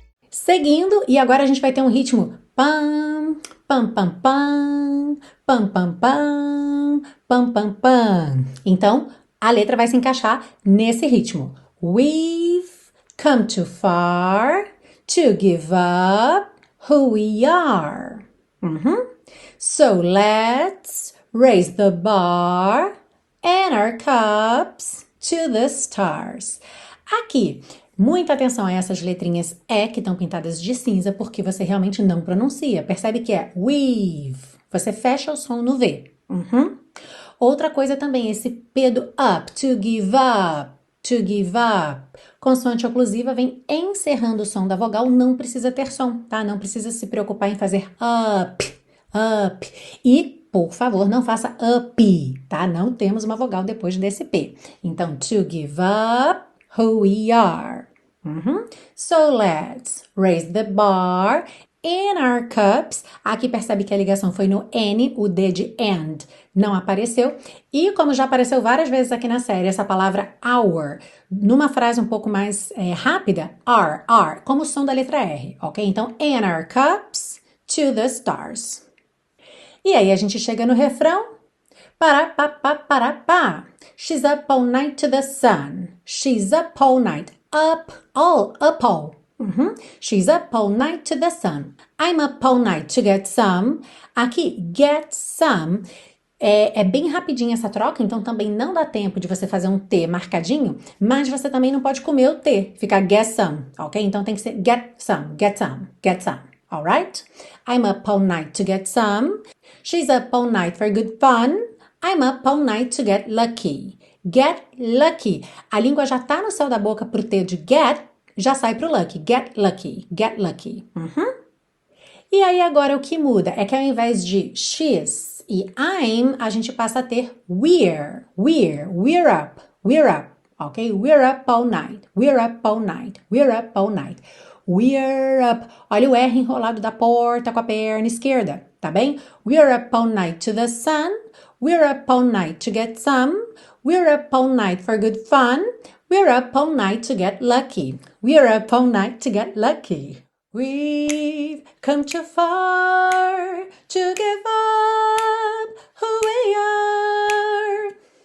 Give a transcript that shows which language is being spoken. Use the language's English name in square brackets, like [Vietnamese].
[Portuguese] Seguindo, e agora a gente vai ter um ritmo pam, pam, pam, pam, pam, pam, pam, pam, pam, pam. Então, a letra vai se encaixar nesse ritmo. [English] We've come too far to give up who we are. Uhum. So let's raise the bar and our cups to the stars. [Portuguese] Aqui, muita atenção a essas letrinhas E que estão pintadas de cinza porque você realmente não pronuncia. Percebe que é we've. Você fecha o som no V. Uhum. Outra coisa também, esse P do up, [English] to give up, to give up. [Portuguese] Consoante oclusiva vem encerrando o som da vogal, não precisa ter som, tá? Não precisa se preocupar em fazer up, up. E, por favor, não faça up, tá? Não temos uma vogal depois desse P. [English] Então, to give up who we are. Uhum. So let's raise the bar in our cups. [Portuguese] Aqui percebe que a ligação foi no N, o D de and. Não apareceu. E como já apareceu várias vezes aqui na série, essa palavra our, numa frase um pouco mais rápida, R, como o som da letra R, ok? [English] Então, in our cups to the stars. [Portuguese] E aí a gente chega no refrão. Pa-ra-pa-pa-pa-ra-pa. [English] She's up all night to the sun. She's up all night. Up, all, up all. Uhum. She's up all night to the sun. I'm up all night to get some. Aqui, get some. [Portuguese] É bem rapidinho essa troca, então também não dá tempo de você fazer um T marcadinho, mas você também não pode comer o T, ficar [English] get some, [Portuguese] ok? Então tem que ser [English] get some, get some, get some, alright? I'm up all night to get some. She's up all night for good fun. I'm up all night to get lucky. Get lucky. [Portuguese] A língua já tá no céu da boca pro T de get, já sai pro lucky. [English] Get lucky, get lucky. [Portuguese] Uhum. E aí agora o que muda é que ao invés de she's e I'm, a gente passa a ter we're up, ok? [English] We're up all night, we're up all night, we're up all night, we're up. [Portuguese] Olha o R enrolado da porta com a perna esquerda, tá bem? [English] We're up all night to the sun, we're up all night to get some, we're up all night for good fun, we're up all night to get lucky, we're up all night to get lucky. We've come too far to give up who we are.